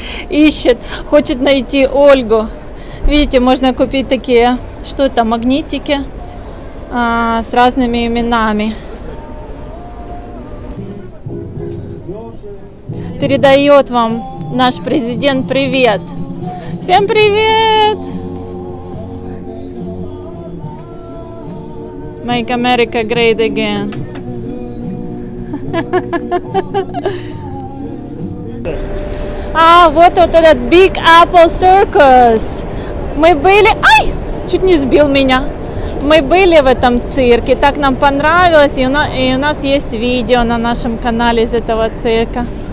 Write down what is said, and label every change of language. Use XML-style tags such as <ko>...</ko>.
<ru>Ищет, хочет найти Ольгу. Видите, можно купить такие, что это, магнитики с разными именами. Передает вам наш президент привет. Всем привет!</ru> <en>Make America great again.</en> <ru>А, вот, вот этот Big Apple Circus. Мы были... Ай! Чуть не сбил меня. Мы были в этом цирке, так нам понравилось, и у нас есть видео на нашем канале из этого цирка.</ru>